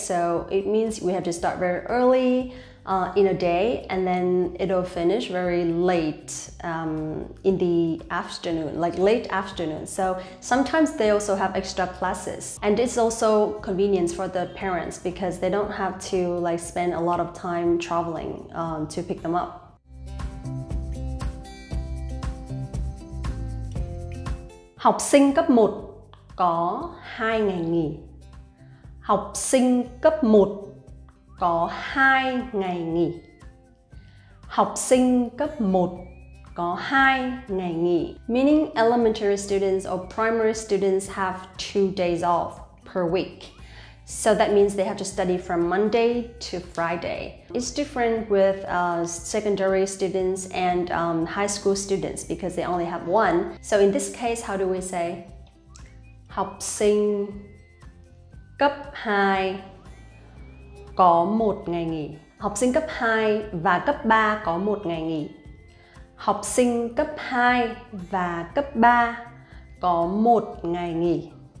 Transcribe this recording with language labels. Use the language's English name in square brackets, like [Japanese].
[English] So it means we have to start very early in a day, and then it'll finish very late in the afternoon, like late afternoon. So sometimes they also have extra classes, and it's also convenience for the parents because they don't have to like spend a lot of time traveling to pick them up. [Vietnamese] Học sinh cấp 1 có 2 ngày nghỉ. Học sinh cấp 1 có 2 ngày nghỉ. Học sinh cấp 1 có 2 ngày nghỉ. [English] Meaning elementary students or primary students have 2 days off per week. So that means they have to study from Monday to Friday. It's different with secondary students and high school students because they only have one. So in this case, how do we say? [Vietnamese] Học sinh cấp 2 có một ngày nghỉ. Học sinh cấp 2 và cấp 3 có một ngày nghỉ. Học sinh cấp 2 và cấp 3 có một ngày nghỉ.